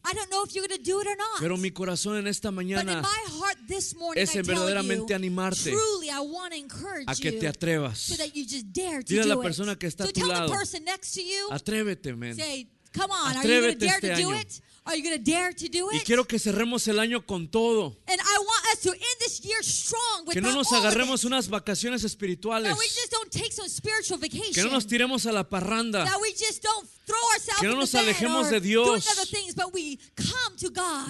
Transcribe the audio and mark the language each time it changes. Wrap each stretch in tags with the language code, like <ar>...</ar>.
<en>I don't know if you're going to do it or not.</en> <es>Pero mi corazón en esta mañana,</es> <en>but in my heart this morning,</en> <es>es en verdaderamente animarte.</es> <en>Truly, I want to encourage</en> <es>a que te atrevas.</es> <en>So that you just dare to</en> <es>dile</es> <en>do</en> <es>a la persona que está</es> <en>so</en> <es>a tu lado.</es> <en>The person next to you,</en> <es>atrévete, man.</es> <en>Say, come on,</en> <es>atrévete,</es> <en>are you going to dare to do it? Are you going to dare to do it?</en> <es>Y quiero que cerremos el año con todo.</es> <en>And I want us to end this year strong with</en> <es>que no nos agarremos unas vacaciones espirituales.</es> <en>That we just don't take some spiritual vacation.</en> <es>Que no nos tiremos a la parranda.</es> <en>That we just don't throw ourselves</en> <es>que no nos alejemos de Dios.</es> <en>Doing other things, but we come to God.</en>